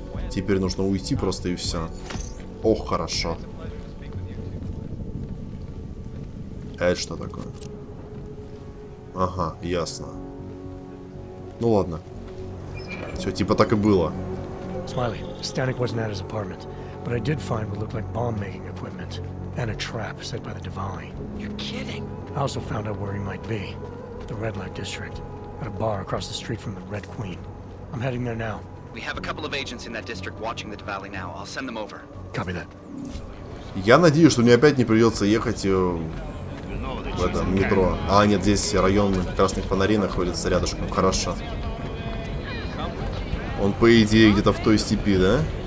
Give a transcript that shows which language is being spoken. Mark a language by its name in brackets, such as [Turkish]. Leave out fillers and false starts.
[Russian] Теперь нужно уйти просто и все. Ох, хорошо. Это что такое? Ага, ясно. Ну ладно. Все, типа так и было. Смайли, Станик не был в его апартаменте. [English] But I did find what looked like bomb-making equipment, and a trap set by the Diwali. You're kidding! I also found out where he might be. The Red Light District. At a bar across the street from the Red Queen. I'm heading there now. We have a couple of agents in that district watching the Diwali now. I'll send them over. Copy that. [Russian] Я надеюсь, что мне опять не придется ехать в это метро. А, нет, здесь район красных фонарей находится рядышком. Хорошо. Он, по идее, где-то в той степи, да?